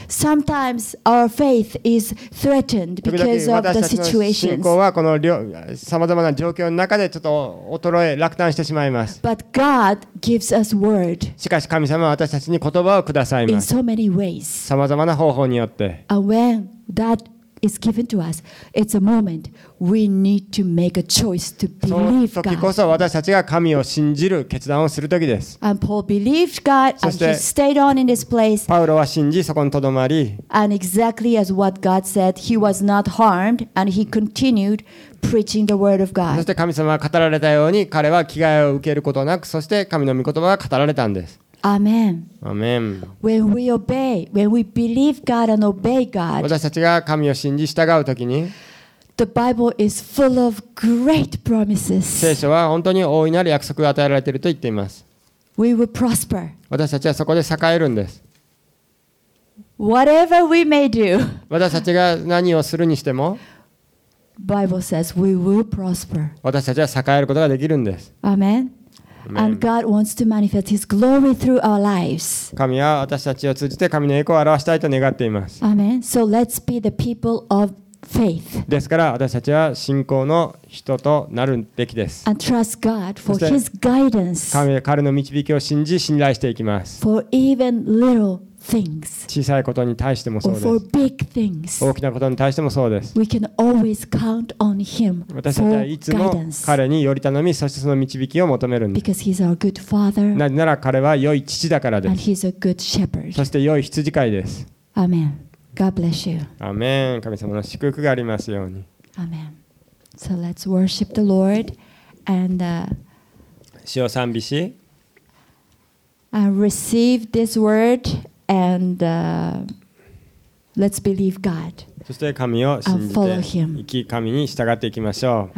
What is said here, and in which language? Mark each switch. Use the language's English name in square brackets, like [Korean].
[English] Sometimes our faith is threatened because of the situations. [Japanese] 信仰はこの様々な状況の中でちょっと衰え、落胆してしまいます。 [English] But God gives us word. [Japanese] しかし神様は私たちに言葉をくださいます。 [English] In so many ways. [Japanese] 様々な方法によって。 [English] And when that is given to us, it's a moment. We need to make a choice to believe God. [Japanese] その時こそ私たちが神を信じる決断をする時です。 [English] And Paul believed God and he stayed on in this place. [Japanese] パウロは信じそこに留まり。 [English] And exactly as what God said, he was not harmed and he continued preaching the word of God. [Japanese] そして神様が語られたように彼は危害を受けることなく、そして神の御言葉が語られたんです。 [English] Amen. Amen. When we obey, when we believe God and obey God. [Japanese] 私たちが神を信じ従う時に。 [English] The Bible is full of great promises. [Japanese] 聖書は本当に大いなる約束が与えられていると言っています。 [English] We will prosper. [Japanese] 私たちはそこで栄えるんです。 [English] Whatever we may do. [Japanese] 私たちが何をするにしても。 [English] Bible says we will prosper. [Japanese] 私たちは栄えることができるんです。 [English] Amen. And God wants to manifest His glory through our lives. [Japanese] 神は私たちを通じて神の栄光を表したいと願っています。 [English] Amen. So let's be the people of Faith. [Japanese] ですから私たちは信仰の人となるべきです。 [English] And trust God for His guidance. [Japanese] 神は彼の導きを信じ信頼していきます。 [English] For even little things. [Japanese] 小さいことに対してもそうです。 [English] Or for big things. [Japanese] 大きなことに対してもそうです。 [English] We can always count on Him for guidance. [Japanese] 私たちはいつも彼により頼み、そしてその導きを求めるんです。 [English] Because He's our good Father. [Japanese] なぜなら彼は良い父だからです。 [English] And He's a good Shepherd. [Japanese] そして良い羊飼いです。 [English] Amen. God bless you. Amen. [Japanese] 神様の祝福がありますように。 [English] Amen. So let's worship the Lord and [Japanese] 主を賛美し、 [English] and receive this word and let's believe God. [Japanese] そして神を信じて、生き神に従っていきましょう。